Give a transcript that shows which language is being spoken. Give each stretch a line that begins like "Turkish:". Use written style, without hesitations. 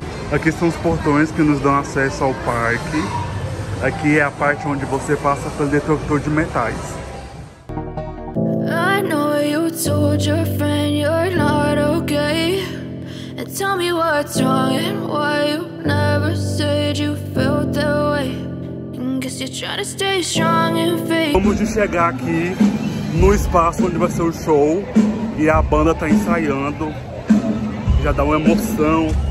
Portuguese: Aqui são os portões que nos dão acesso ao parque. Aqui é a parte onde você passa pelo detector de metais.
English: I know you told your friend you're not okay. And tell me what's wrong and why you never said you felt that way. Guess you're trying to stay strong and fake.
Portuguese: Vamos de chegar aqui no espaço onde vai ser o show. E a banda tá ensaiando. Já dá uma emoção.